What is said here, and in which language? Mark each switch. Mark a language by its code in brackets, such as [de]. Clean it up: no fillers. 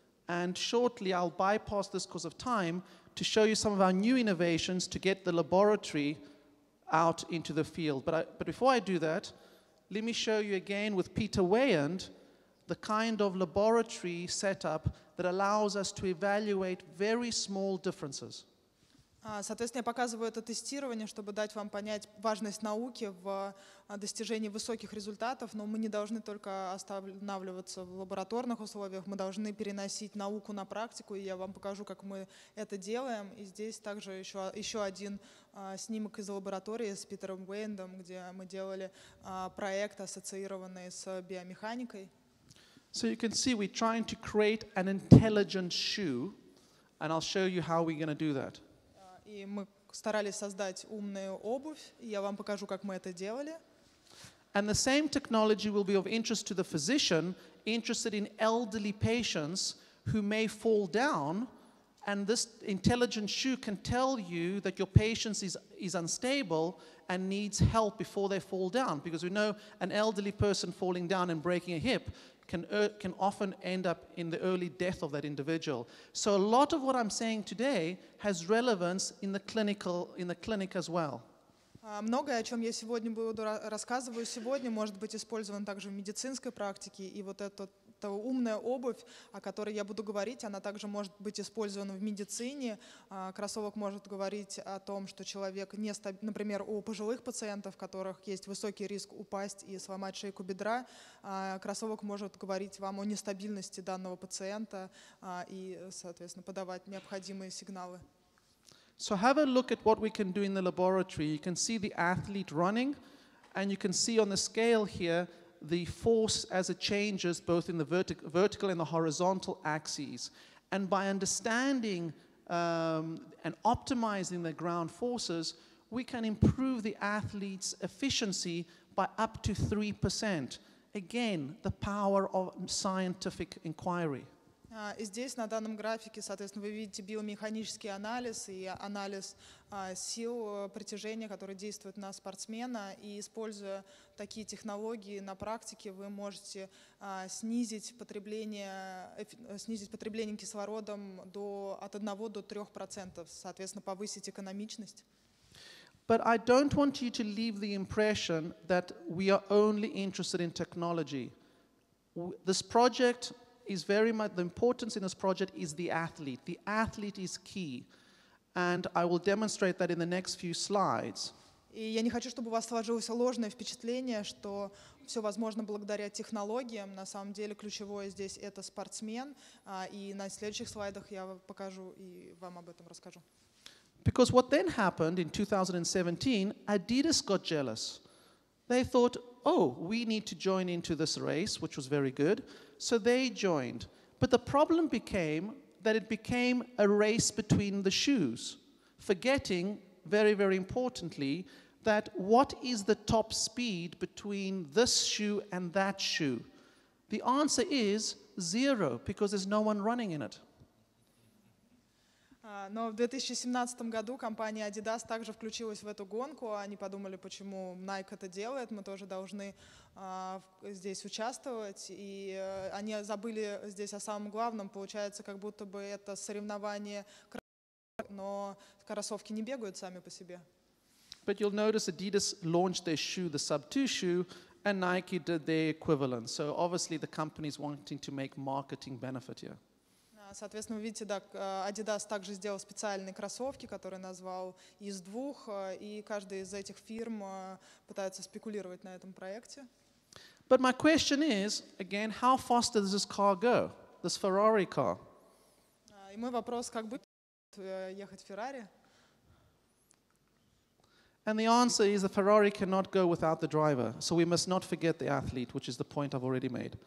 [en] And shortly, I'll bypass this because of time to show you some of our new innovations to get the laboratory out into the field. But before I do that, let me show you again with Peter Weyand the kind of laboratory setup that allows us to evaluate very small differences. [ru] Соответственно, я показываю это тестирование, чтобы дать вам понять важность науки в достижении высоких результатов, но мы не должны только останавливаться в лабораторных условиях, мы должны переносить науку на практику, и я вам покажу, как мы это делаем. И здесь также еще один снимок из лаборатории с Питером Уэйндом, где мы делали проект, ассоциированный с биомеханикой. [en] So you can see we're trying to create an intelligent shoe, and I'll show you how we're going to do that. [ru] И мы старались создать умную обувь, и я вам покажу, как мы это делали. [en] And the same technology will be of interest to the physician interested in elderly patients who may fall down, and this intelligent shoe can tell you that your patient is unstable and needs help before they fall down, because we know an elderly person falling down and breaking a hip can often end up in the early death of that individual. So a lot of what I'm saying today has relevance in the clinic as well. [ru] Многое, о чем я сегодня рассказываю сегодня, может быть использовано также в медицинской практике, и вот эта умная обувь, о которой я буду говорить, она также может быть использована в медицине. Кроссовок может говорить о том, что человек например, у пожилых пациентов, у которых есть высокий риск упасть и сломать шейку бедра, кроссовок может говорить вам о нестабильности данного пациента и, соответственно, подавать необходимые сигналы. [en] So have a look at what we can do in the laboratory. You can see the athlete running, and you can see on the scale here the force as it changes both in the vertical and the horizontal axes. And by understanding and optimizing the ground forces, we can improve the athlete's efficiency by up to 3%. Again, the power of scientific inquiry. [ru] И здесь, на данном графике, соответственно, вы видите биомеханический анализ и анализ сил притяжения, которые действуют на спортсмена. И используя такие технологии на практике, вы можете снизить потребление кислородом от 1 до 3%, соответственно, повысить экономичность. [en] But I don't want you to leave the impression that we are only interested in technology. This project is very much the importance in this project is the athlete. The athlete is key. And I will demonstrate that in the next few slides. [ru] И я не хочу, чтобы у вас сложилось ложное впечатление, что все возможно благодаря технологиям. На самом деле ключевое здесь это спортсмен. И на следующих слайдах я покажу и вам об этом расскажу. [en] Because what then happened in 2017, Adidas got jealous. They thought, oh, we need to join into this race, which was very good. So they joined. But the problem became that it became a race between the shoes, forgetting, very, very importantly, that what is the top speed between this shoe and that shoe? The answer is zero, because there's no one running in it. [ru] Но в 2017 году компания Adidas также включилась в эту гонку. Они подумали, почему Nike это делает, мы тоже должны здесь участвовать. И они забыли здесь о самом главном. Получается, как будто бы это соревнование кроссовок, но кроссовки не бегают сами по себе. [en] But you'll notice Adidas launched their shoe, the sub-2 shoe, and Nike did their equivalent. So obviously the company is wanting to make marketing benefit here. [ru] Соответственно, вы видите, да, Adidas также сделал специальные кроссовки, которые назвал из двух, и каждая из этих фирм пытается спекулировать на этом проекте. [en] But my question is, again, how fast does this car go, this Ferrari car? [ru] И мой вопрос, как будет ехать Ferrari? [en] And the answer is the Ferrari cannot go without the driver. So we must not forget the athlete, which is the point I've already made.